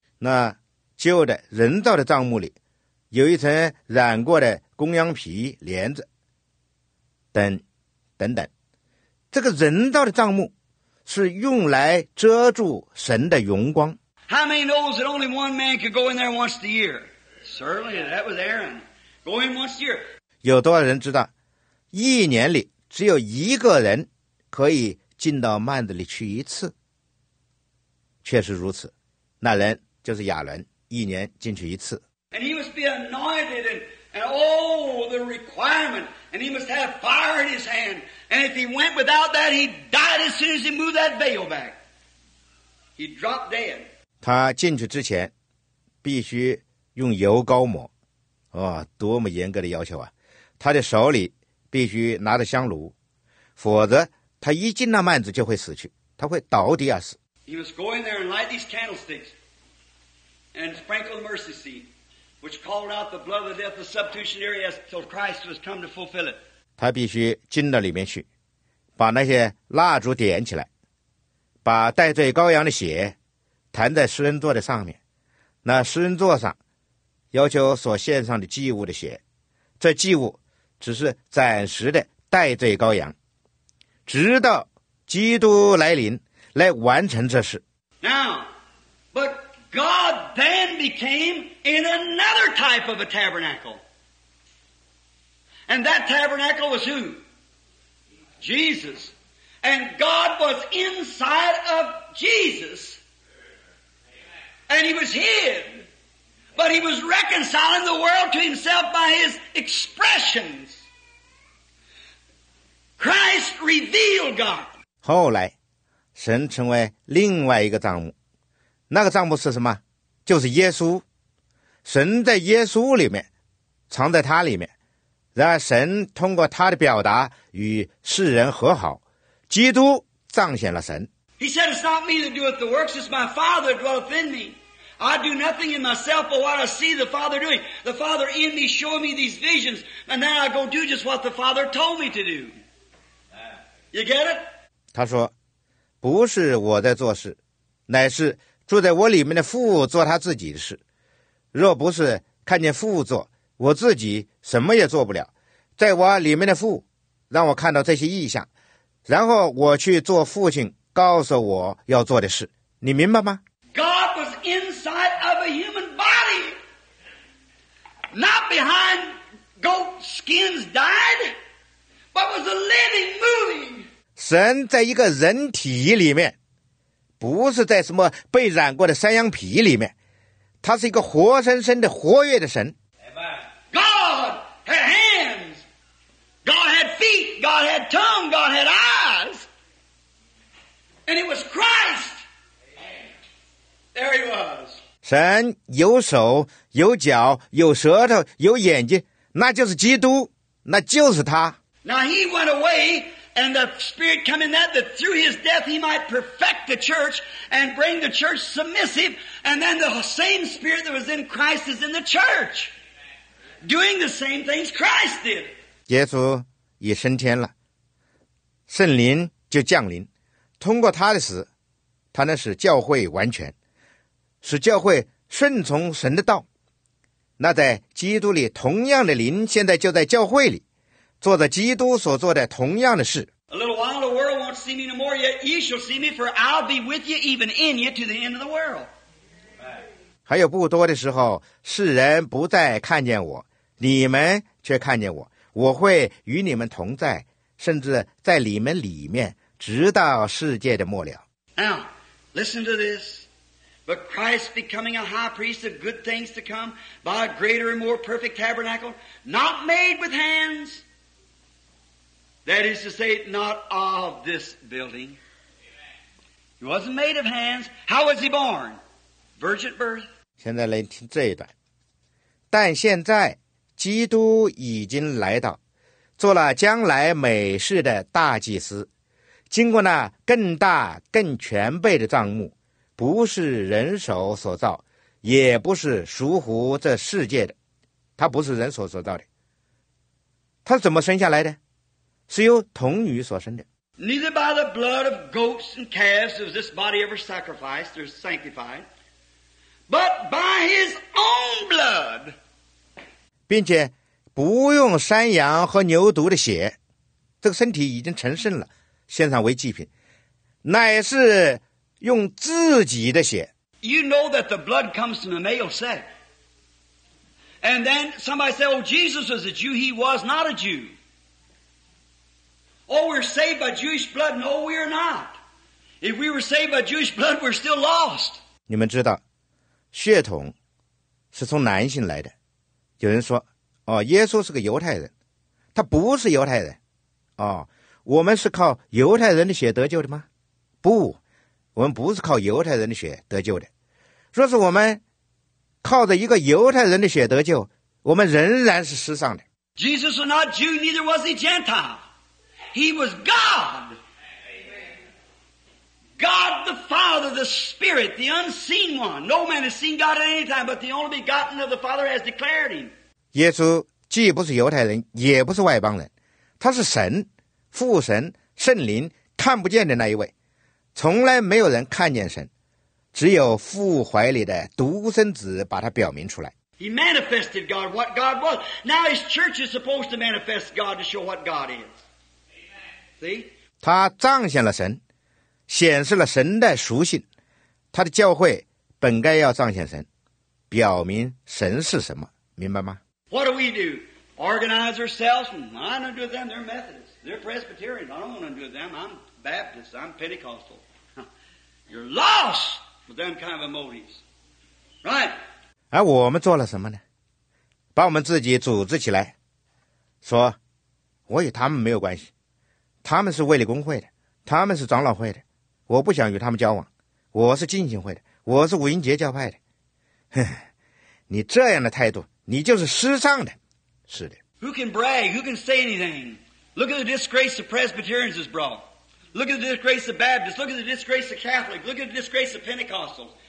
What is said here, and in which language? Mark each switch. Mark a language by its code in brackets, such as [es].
[zh] 那旧的人造的帐幕里有一层染过的公羊皮帘子等等。这个人造的帐幕是用来遮住神的荣光。 [en] How many knows that only one man could go in there once a year? Certainly, that was Aaron. Go in once a year. [zh] 有多少人知道一年里只有一个人可以进到幔子里去一次？确实如此，那人就是亚伦，一年进去一次。 [en] And he must be anointed and oh, the requirement, and he must have fire in his hand. And if he went without that, he died as soon as he moved that veil back. He dropped dead. [zh] 他进去之前必须用油膏抹，哦，多么严格的要求啊！他的手里必须拿着香炉，否则他一进那幔子就会死去，他会倒地而死。 [en] He must go in there and light these candlesticks and sprinkle the mercy seat, which called out the blood of the death, the substitutionary, until Christ was come to fulfill it. [zh] 他必须进到里面去，把那些蜡烛点起来，把代罪羔羊的血弹在施恩座的上面，那施恩座上要求所献上的祭物的血，这祭物。只是暂时的代罪羔羊，直到基督来临来完成这事。 [en] Now, but God then became in another type of a tabernacle. And that tabernacle was who? Jesus. And God was inside of Jesus. And he was hid. But he was reconciling the world to himself by his expressions. Christ revealed God. [zh] 后来神成为另外一个帐幕，那个帐幕是什么？就是耶稣。神在耶稣里面，藏在他里面，然而神通过他的表达与世人和好，基督彰显了神。 [en] He said it's not me that doeth the works, it's my Father that dwelleth in me. I do nothing in myself but what I see the Father doing. The Father in me show me these visions, and then I go do just what the Father told me to do. You get it? [zh] 他说不是我在做事，乃是住在我里面的父做他自己的事。若不是看见父做，我自己什么也做不了。在我里面的父让我看到这些异象，然后我去做父亲告诉我要做的事。你明白吗？ [en] God was inside of a human body, not behind goat skins dyed. But was the living moving? [zh] 神在一个人体里面，不是在什么被染过的山羊皮里面，他是一个活生生的活跃的神。 [en] God had hands, God had feet, God had tongue, God had eyes, and it was Christ. There he was. [zh] 神有手有脚有舌头有眼睛，那就是基督，那就是他。 [en] Now he went away. And the Spirit came in that, that through his death he might perfect the church and bring the church submissive. And then the same Spirit that was in Christ is in the church, doing the same things Christ did. [zh] 耶稣已升天了，圣灵就降临，通过他的死，他能使教会完全，使教会顺从神的道。那在基督里同样的灵，现在就在教会里。做着基督所做的同样的事。 [en] A little while the world won't see me no more, yet ye shall see me, for I'll be with you, even in you, to the end of the world. [zh] 还有不多的时候，世人不再看见我，你们却看见我。我会与你们同在，甚至在你们里面，直到世界的末了。 [en] Now, listen to this. But Christ becoming a high priest of good things to come by a greater and more perfect tabernacle, not made with hands. That is to say, not of this building. He wasn't made of hands. How was he born? Virgin birth. [zh] 现在来听这一段。但现在基督已经来到，做了将来美事的大祭司，经过那更大更全备的帐幕，不是人手所造，也不是属乎这世界的，他不是人手所造的。他怎么生下来的？是由童女所生的。 [en] Neither by the blood of goats and calves was this body ever sacrificed or sanctified, but by his own blood. [zh] 并且不用山羊和牛犊的血，这个身体已经成圣了，献上为祭品，乃是用自己的血。 [en] You know that the blood comes from the male sex. And then somebody said, oh, Jesus was a Jew. He was not a Jew. Oh, we're saved by Jewish blood. No, we are not. If we were saved by Jewish blood, we're still lost. [zh] 你们知道，血统是从男性来的。有人说，哦，耶稣是个犹太人。他不是犹太人。哦，我们是靠犹太人的血得救的吗？不。我们不是靠犹太人的血得救的，若是我们靠着一个犹太人的血得救，我们仍然是失丧的。 [en] Jesus was not Jew, neither was he Gentile. He was God. God the Father, the Spirit, the unseen one. No man has seen God at any time, but the only begotten of the Father has declared him. [zh] 耶稣既不是犹太人，也不是外邦人，他是神、父神、圣灵看不见的那一位。从来没有人看见神，只有父怀里的独生子把他表明出来。 [en] He manifested God, what God was. Now his church is supposed to manifest God to show what God is. See? [zh] 他彰显了神，显示了神的属性。他的教会本该要彰显神，表明神是什么，明白吗？ [en] What do we do? Organize ourselves? I'm not going to do them. They're Methodists. They're Presbyterians. I don't want to do them. I'm Baptist, I'm Pentecostal. You're lost with them kind of motives. Right? [zh] 而我们做了什么呢？把我们自己组织起来，说我与他们没有关系，他们是卫理公会的，他们是长老会的，我不想与他们交往，我是浸信会的，我是五旬节教派的。哼，你这样的态度，你就是失丧的。是的。 [en] Who can brag? Who can say anything? Look at the disgrace the Presbyterians has brought. Look at the disgrace of Baptists. Look at the disgrace of Catholics. Look at the disgrace of Pentecostals.